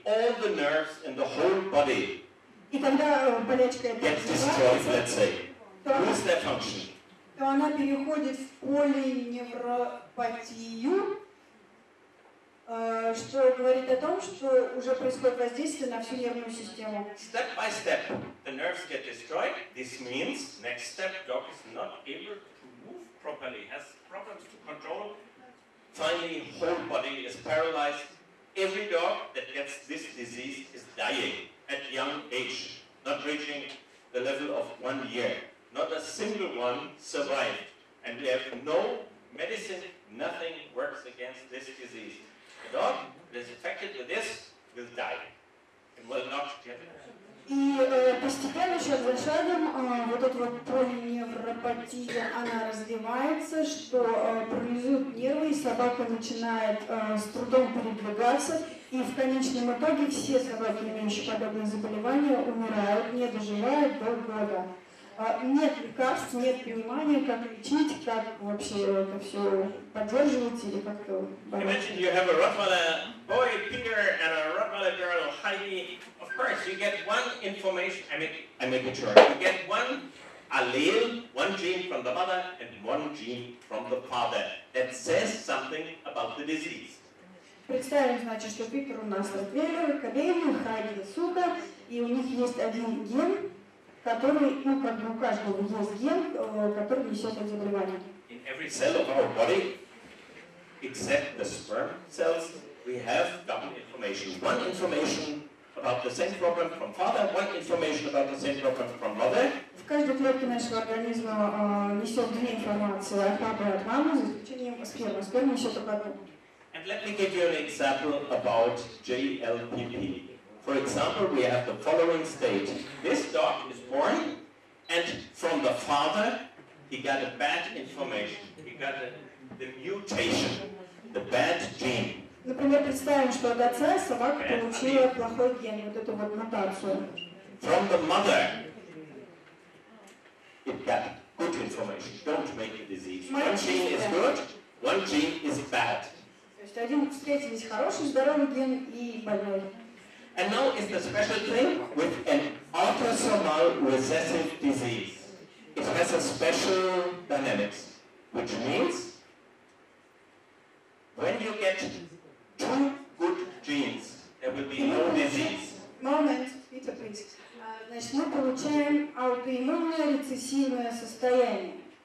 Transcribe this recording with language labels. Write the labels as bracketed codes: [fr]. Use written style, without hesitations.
[en] All the nerves in the whole body get destroyed, let's say. Lose their function. [ru] То она переходит в полиневропатию. что говорит о том, что уже происходит воздействие на всю нервную систему. [en] Step by step, the nerves get destroyed. This means next step, dog is not able to move properly, has problems to control. Finally, whole body is paralyzed. Every dog that gets this disease is dying at young age, not reaching the level of 1 year. Not a single one survived, and we have no medicine. Nothing works against this disease. A dog that is infected with this will die. It will not get better. [ru] И постепенно сейчас за шагом вот эта вот полиневропатия, она развивается, что парализуют нервы, и собака начинает с трудом передвигаться, и в конечном итоге все собаки, имеющие подобные заболевания, умирают, не доживают до года. Нет лекарств, нет понимания, как лечить, как вообще это все поддерживать или как-то бороться. [en] Imagine you have a Rottweiler boy, Peter, and a Rottweiler girl, Heidi. Of course, you get one information, I make it short. You get one allele, one gene from the mother and one gene from the father that says something about the disease. [ru] Представим, значит, что Питер у нас Ротвейлер, Кобейн, Хайди, Сука, и у них есть один ген, который, ну, как бы у каждого есть ген, который несет это заболевание. [en] In every cell of our body, except the sperm cells, we have double information. One information about the same problem from father, one information about the same problem from mother. [ru] В каждой клетке нашего организма несет две информации от папы и от мамы, за исключением спермы. Сперма несет только одну. [en] And let me give you an example about JLPP. For example, we have the following state. This dog is born, and from the father, he got a bad information. He got the mutation, the bad gene. [ru] Например, представим, что от отца собака получила плохой ген, вот эту вот мутацию. [en] From the mother, it got good information. Don't make a disease. One gene is good, one gene is bad. [ru] То есть один встретились хороший, здоровый ген и больной. [en] And now is the special thing with an autosomal recessive disease. It has a special dynamics, which means when you get two good genes, there will be no disease. Moment, Peter, please. [ru] Значит, мы получаем аутоиммунное рецессивное состояние.